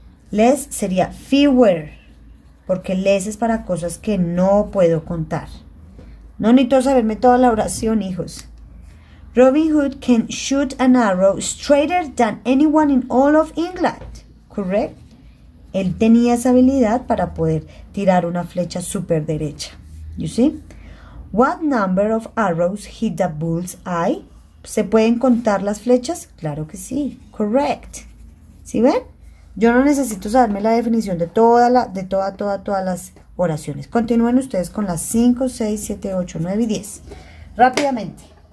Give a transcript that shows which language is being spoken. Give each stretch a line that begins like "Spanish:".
Spanish: Less sería fewer, porque less es para cosas que no puedo contar. No necesito saberme toda la oración, hijos.
English: Robin Hood can shoot an arrow straighter than anyone in all of England. Correct.
Spanish: Él tenía esa habilidad para poder tirar una flecha súper derecha.
English: You see? What number of arrows hit the bull's eye?
Spanish: ¿Se pueden contar las flechas? Claro que sí. Correct. ¿Sí ven? Yo no necesito saberme la definición de todas las oraciones. Continúen ustedes con las 5, 6, 7, 8, 9 y 10. Rápidamente.